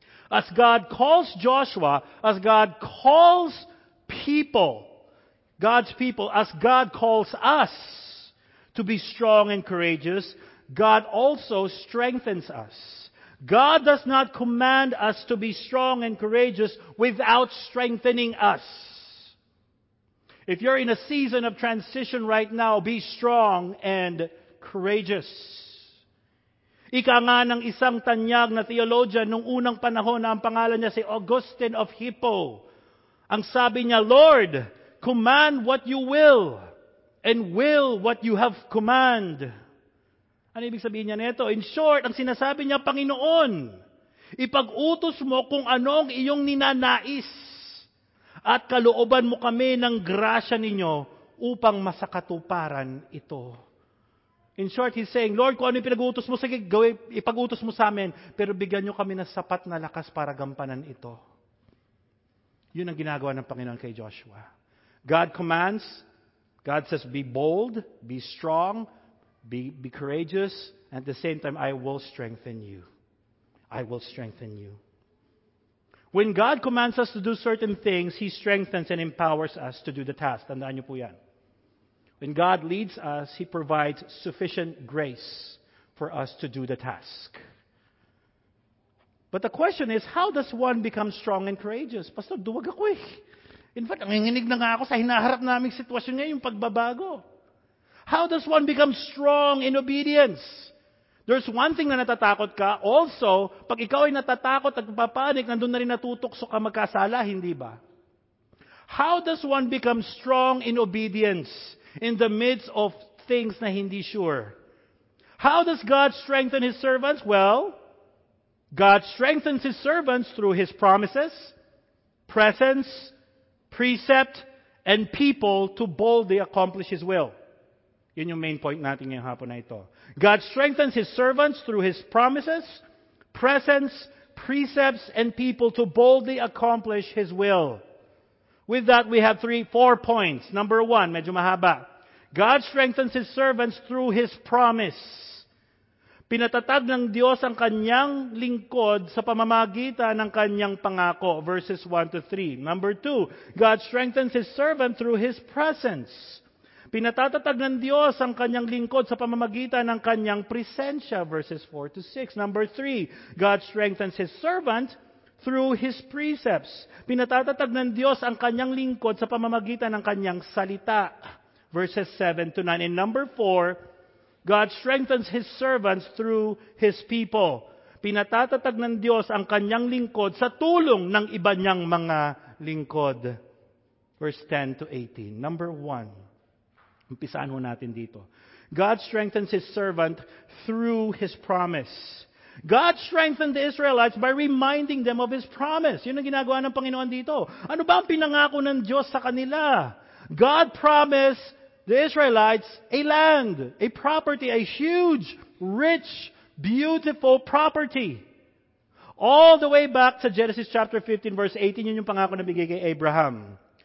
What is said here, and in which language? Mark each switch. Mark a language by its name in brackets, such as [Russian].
[English] As God calls Joshua, as God calls people, God's people, as God calls us to be strong and courageous, God also strengthens us. God does not command us to be strong and courageous without strengthening us. If you're in a season of transition right now, be strong and courageous. [Filipino] Ika nga ng isang tanyag na theologian nung unang panahon na ang pangalan niya si Augustine of Hippo. Ang sabi niya, [English] Lord, command what you will and will what you have command. [Filipino] Ano ibig sabihin niya nito? [English] In short, [Filipino] ang sinasabi niya, Panginoon, ipag-utos mo kung anong iyong ninanais at kalooban mo kami ng grasya ninyo upang masakatuparan ito. [English] In short, he's saying, [Filipino] Lord, kung ano yung pinag-utos mo, sige, ipag-utos mo sa amin, pero bigyan nyo kami ng sapat na lakas para gampanan ito. Yun ang ginagawa ng Panginoon kay Joshua. [English] God commands, God says, be bold, be strong, be courageous, and at the same time, I will strengthen you. I will strengthen you. When God commands us to do certain things, He strengthens and empowers us to do the task. [Filipino] Tandaan nyo po yan. [English] When God leads us, He provides sufficient grace for us to do the task. But the question is, how does one become strong and courageous? [Filipino] Pastor, duwag ako eh. [English] In fact, [Filipino] ang inginig na nga ako sa hinaharap naming sitwasyon ngayon, yung pagbabago. [English] How does one become strong in obedience? There's one thing [Filipino] na natatakot ka. Also, pag ikaw ay natatakot at papanik, nandun na rin natutokso ka magkasala, hindi ba? [English] How does one become strong in obedience in the midst of things [Filipino] na hindi [English] sure? How does God strengthen His servants? Well, God strengthens His servants through His promises, presence, precept, and people to boldly accomplish His will. [Filipino] Yun yung main point natin ngayong hapon na ito. [English] God strengthens His servants through His promises, presence, precepts, and people to boldly accomplish His will. With that, we have four points. Number one, [Filipino] medyo mahaba. [English] God strengthens His servants through His promise. [Filipino] Pinatatag ng Diyos ang kanyang lingkod sa pamamagitan ng kanyang pangako. [English] Verses 1 to 3. Number 2, God strengthens His servant through His presence. [Filipino] Pinatatag ng Diyos ang kanyang lingkod sa pamamagitan ng kanyang presensya. [English] Verses 4 to 6. Number 3, God strengthens His servant through His precepts. [Filipino] Pinatatag ng Diyos ang kanyang lingkod sa pamamagitan ng kanyang salita. [English] Verses 7 to 9. And number 4, God strengthens His servants through His people. [Filipino] Pinatatag ng Diyos ang kanyang lingkod sa tulong ng iba niyang mga lingkod. [English] Verse 10 to 18. Number 1, [Filipino] umpisaan ho natin dito. [English] God strengthens His servant through His promise. God strengthened the Israelites by reminding them of His promise. [Filipino] Yun ang ginagawa ng Panginoon dito. Ano ba ang pinangako ng Diyos sa kanila? [English] God promised the Israelites a land, a property, a huge, rich, beautiful property. All the way back to Genesis chapter 15, verse 18, [Filipino] yun yung pangako na bigay kay Abraham.